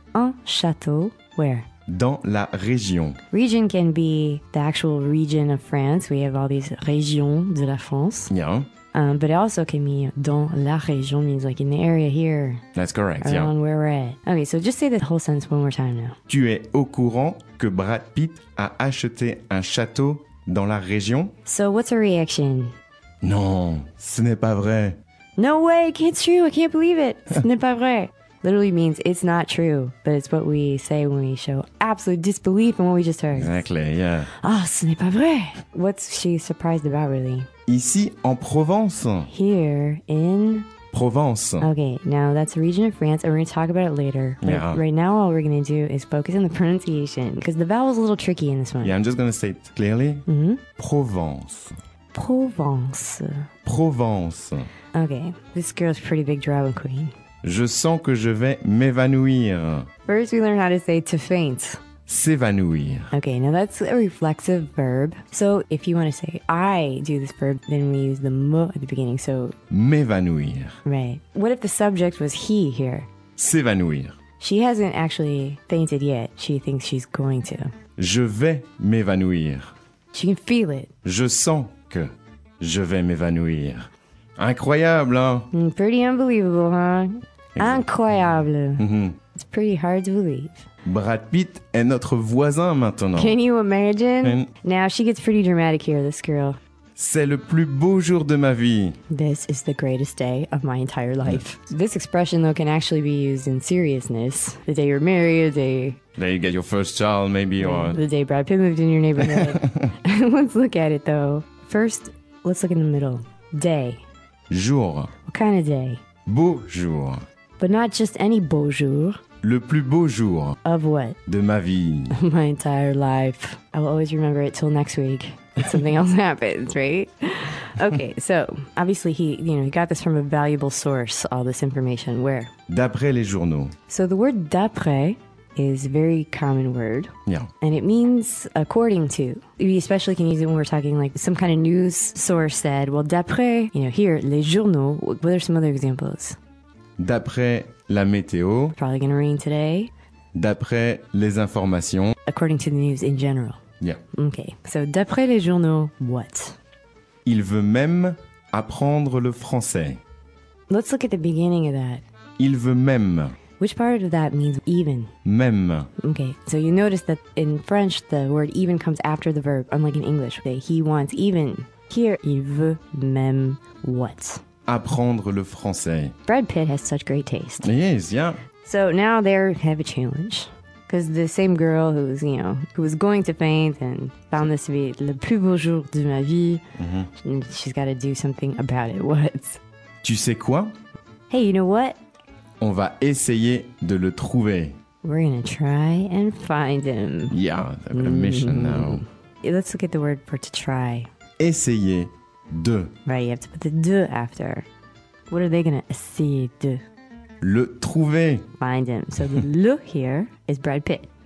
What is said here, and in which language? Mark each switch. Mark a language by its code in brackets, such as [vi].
[fr] Un château, [en] where? [fr] Dans la région. [en] Region can be the actual region of France. We have all these [fr] régions de la France. [en] Yeah. But it also can mean [fr] dans la région, [en] means like in the area here. That's correct, around yeah. Around where we're at. Okay, so just say the whole sentence one more time now. [fr] Tu es au courant que Brad Pitt a acheté un château dans la région? [en] So what's a reaction? [fr] Non, ce n'est pas vrai. [en] No way, it's true, I can't believe it. [fr] Ce n'est pas vrai. [en] Literally means it's not true, but it's what we say when we show absolute disbelief in what we just heard. Exactly, yeah. [fr] Ah, oh, ce n'est pas vrai. [en] What's she surprised about, really? [fr] Ici, en Provence. [en] Here in... [fr] Provence. [en] Okay, now that's a region of France, and we're going to talk about it later. But yeah. Right now, all we're going to do is focus on the pronunciation, because the vowel is a little tricky in this one. Yeah, I'm just going to say it clearly. Mm-hmm. [fr] Provence. Provence. Provence. [en] Okay, this girl's pretty big drama queen. [fr] Je sens que je vais m'évanouir. [en] First, we learn how to say to faint. [fr] S'évanouir. [en] Okay, now that's a reflexive verb. So if you want to say I do this verb, then we use the me at the beginning. So [fr] m'évanouir. [en] Right. What if the subject was he here? [fr] S'évanouir. [en] She hasn't actually fainted yet. She thinks she's going to. [fr] Je vais m'évanouir. [en] She can feel it. [fr] Je sens que je vais m'évanouir. Incroyable, hein? [en] Pretty unbelievable, huh? Exactly. [fr] Incroyable. Mm-hmm. [en] It's pretty hard to believe. [fr] Brad Pitt est notre voisin maintenant. [en] Can you imagine? Now she gets pretty dramatic here, this girl. [fr] C'est le plus beau jour de ma vie. [en] This is the greatest day of my entire life. This expression, though, can actually be used in seriousness. The day you're married, the day... The day you get your first child, maybe, or... The day Brad Pitt moved in your neighborhood. Let's look at it, though. First, let's look in the middle. Day. [fr] Jour. [en] What kind of day? [fr] Beau jour. [en] But not just any [fr] beau jour. Le plus beau jour. [en] Of what? [fr] De ma vie. [en] My entire life. I will always remember it till next week. Something else happens, right? Okay, so obviously he got this from a valuable source, all this information. Where? [fr] D'après les journaux. [en] So the word d'après is a very common word. Yeah. And it means according to. We especially can use it when we're talking like some kind of news source said, well, [fr] d'après, here, les journaux, [en] what are some other examples? [fr] D'après la météo. [en] Probably going to rain today. [fr] D'après les informations. [en] According to the news in general. Yeah. Okay. So, [fr] d'après les journaux, [en] what? [fr] Il veut même apprendre le français. [en] Let's look at the beginning of that. [fr] Il veut même. [en] Which part of that means even? [fr] Même. [en] Okay. So, you notice that in French, the word even comes after the verb, unlike in English. Okay. He wants even. Here, [fr] il veut même [en] what? [fr] Apprendre le français. [en] Brad Pitt has such great taste. He is, yeah. So now they have a challenge. Because the same girl who's, who was going to faint and found this to be [fr] le plus beau jour de ma vie, [en] she's got to do something about it. What? [fr] Tu sais quoi? [en] Hey, you know what? [fr] On va essayer de le trouver. [en] We're going to try and find him. Yeah, I've got a mission now. Let's look at the word for to try. [fr] Essayer. De. [en] Right, you have to put the de after. What are they going to [fr] essayer de? Le trouver. [en] Find him. So the le here is Brad Pitt.